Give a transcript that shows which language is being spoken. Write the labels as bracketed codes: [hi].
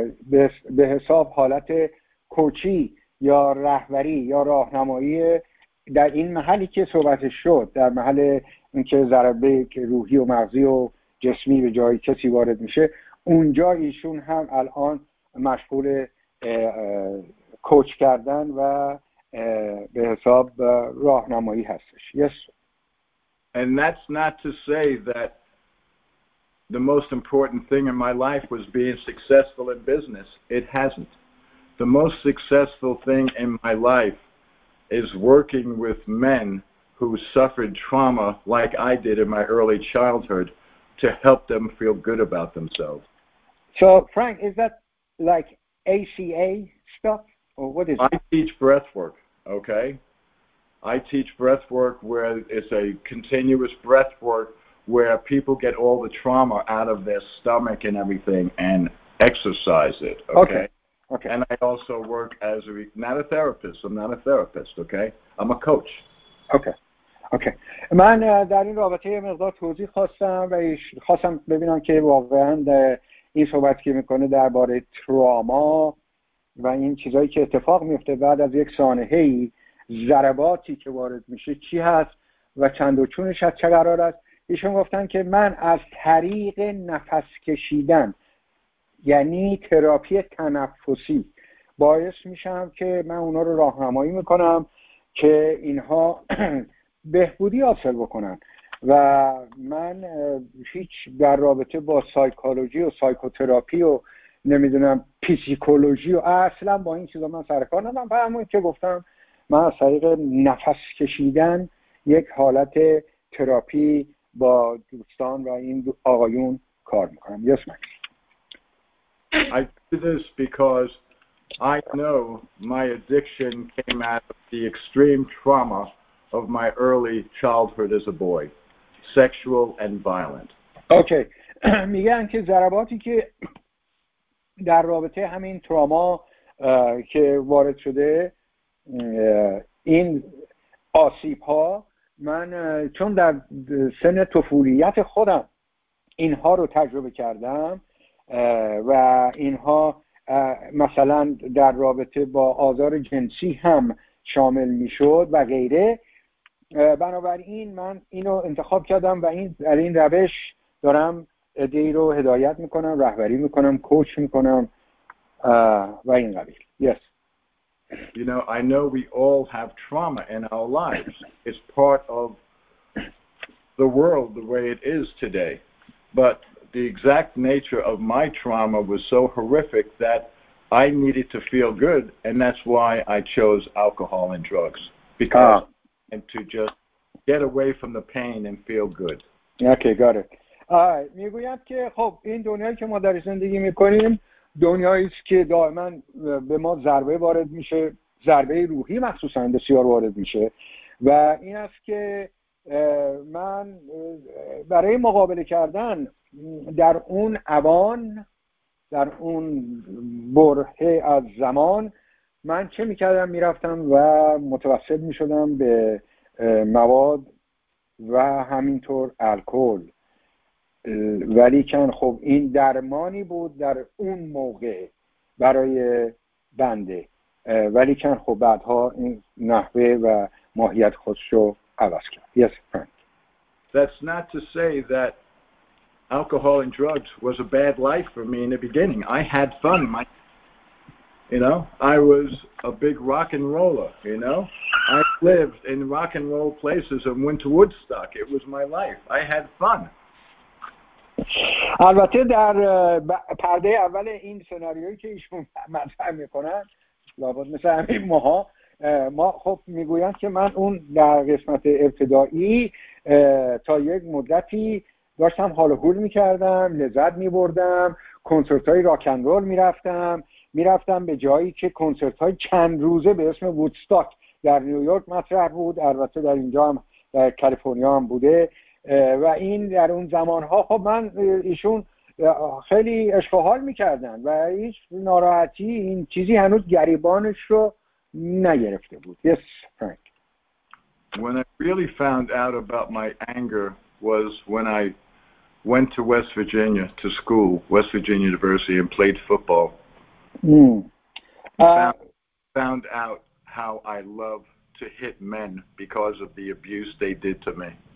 [fa] به حساب حالت کوچی یا رهبری یا راهنمایی در این محلی که صحبت شد، در محل اینکه ضربه روحی و مغزی و جسمی به جای کسی وارد میشه، اونجا ایشون هم الان مشغول کوچ کردن و به حساب راهنمایی هستش. [en] Yes. And that's not to say that the most important thing in my life was being successful in business. It hasn't. The most successful thing in my life is working with men who suffered trauma like I did in my early childhood to help them feel good about themselves. So, Frank, is that like ACA stuff, or what is it? I teach breath work, okay? I teach breath work where it's a continuous breath work where people get all the trauma out of their stomach and everything and exercise it, okay? Okay. And I also work as a, not a therapist, I'm not a therapist, okay? I'm a coach. Okay. [fa] من در این رابطه مقدار توضیح خواستم و خواستم ببینم که واقعاً این صحبت که میکنه درباره تروما و این چیزایی که اتفاق میفته بعد از یک سانحه‌ای، ضرباتی که وارد میشه چی هست و چند و چونش از چه قرار است. ایشون گفتن که من از طریق نفس کشیدن یعنی تراپی تنفسی باعث میشم که من اونا رو راهنمایی میکنم که اینها بهبودی حاصل بکنن. و من هیچ در رابطه با سایکولوژی و سایکوتراپی و نمیدونم پسیکولوژی و اصلا با این چیزا من سرکار ندارم. فهمون که گفتم من از طریق نفس کشیدن یک حالت تراپی با دوستان و این آقایون کار میکنم. [en] Yes, Max. I do this because I know my addiction came out of the extreme trauma of my early childhood as a boy. Sexual and violent. Okay. [fa] میگن که ضرباتی که در رابطه همین تروما که وارد شده، این آسیب ها من چون در سن طفولیت خودم اینها رو تجربه کردم و اینها مثلا در رابطه با آزار جنسی هم شامل می شد و غیره، بنابراین من اینو انتخاب کردم و این روش دارم ادهی رو هدایت می کنم، رهبری می کنم، کوچ می کنم و این قبیل. [en] Yes. You know, I know we all have trauma in our lives. It's part of the world the way it is today. But the exact nature of my trauma was so horrific that I needed to feel good, and that's why I chose alcohol and drugs. Because and to just get away from the pain and feel good. Okay, got it. [fa] میگویم که خب این دنیایی که ما در زندگی میکنیم دنیایی است که دائما به ما ضربه وارد میشه، ضربه روحی مخصوصا بسیار وارد میشه، و این است که من برای مقابله کردن در اون اوان، در اون برهه از زمان، من چه میکردم؟ میرفتم و متوسل میشدم به مواد و همینطور الکل. ولیکن خب این درمانی بود در اون موقع برای بنده، ولیکن خب بعدها این نحوه و ماهیت خودش رو عوض کرد. [en] Yes, Frank. That's not to say that alcohol and drugs was a bad life for me in the beginning. I had fun. I was a big rock and roller, you know. I lived in rock and roll places and went to Woodstock. It was my life. I had fun. [fa] البته در پرده اول این سناریویی که ایشون مطرح میکنن، لابد مثل همین ماها، ما خب میگویند که من اون در قسمت ابتدایی تا یک مدتی داشتم حال و حول میکردم، لذت میبردم، کنسرت های راکن رول میرفتم، میرفتم به جایی که کنسرت های چند روزه به اسم وودستاک در نیویورک مطرح بود، البته در اینجا هم در کالیفرنیا هم بوده، و این در اون زمان ها خب من ایشون خیلی عشق و حال میکردن و هیچ ناراحتی این چیزی هنوز گریبانش رو نگرفته بود. [en] Yes, Frank. When I really found out about my anger was when I went to West Virginia to school, West Virginia University, and played football. Found out how I love to hit men because of the abuse they did to me.